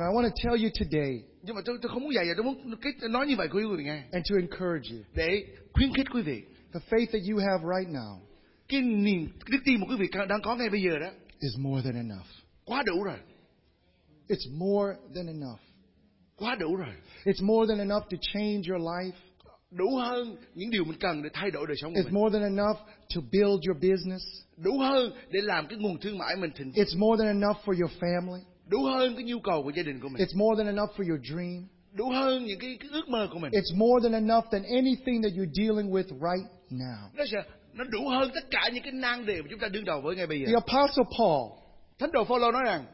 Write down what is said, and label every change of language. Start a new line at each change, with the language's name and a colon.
English: I want to tell you today. And to encourage you. The faith that you have right now is more than enough. It's more than enough.
Vietnamese: Quá đủ rồi.
English: It's more than enough to change your life.
Vietnamese: Đủ hơn những điều mình cần để thay đổi đời sống của
English: mình. It's more than enough to build your business.
Vietnamese: Đủ hơn để làm cái nguồn thương mại mình thịnh.
English: It's more than enough for your family.
Vietnamese: Đủ hơn cái nhu cầu của gia đình của mình.
English: It's more than enough for your dream.
Vietnamese: Đủ hơn những cái ước mơ của mình.
English: It's more than enough than anything that you're dealing with right now.
Vietnamese: Nó đủ hơn tất cả những cái nan đề mà chúng ta đương đầu với ngay bây giờ.
English: The Apostle Paul.
Vietnamese: Thánh đồ Phaolô nói rằng